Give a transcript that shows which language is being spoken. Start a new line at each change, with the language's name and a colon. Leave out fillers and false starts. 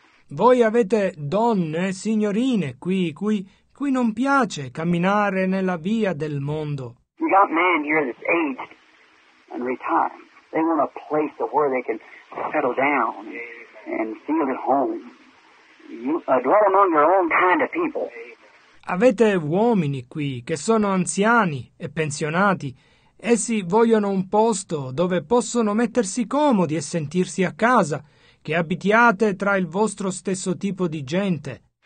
Italian: Voi avete donne, signorine, qui, cui non piace camminare nella via del mondo.
English: You got men here that's aged and retired. They want a place of where they can settle down and feel at home. Dwell among your own kind of people.
Italian: Avete uomini qui che sono anziani e pensionati. Essi vogliono un posto dove possono mettersi comodi e sentirsi a casa, che abitiate tra il vostro stesso tipo di gente.